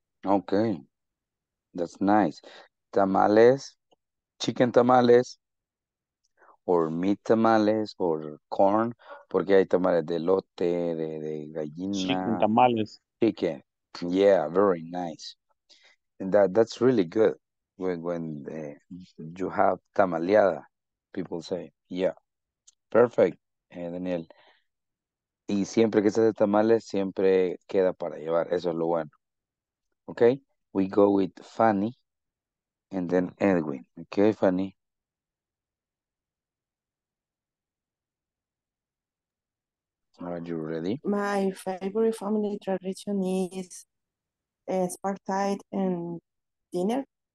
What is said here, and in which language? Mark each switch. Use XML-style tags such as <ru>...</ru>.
<en>Okay. That's nice. Tamales, chicken tamales, or meat tamales, or corn,</en> <es>porque hay tamales de elote, de gallina.</es> <en>Chicken tamales. Chicken. Yeah, very nice. And that's really good when you have tamaleada. People say, yeah, perfect, Daniel.</en> <es>Y siempre que se hace tamales, siempre queda para llevar. Eso es lo bueno.</es> <en>Okay, we go with Fanny and then Edwin. Okay, Fanny. Are you ready? My favorite family tradition is spartite and dinner.</en>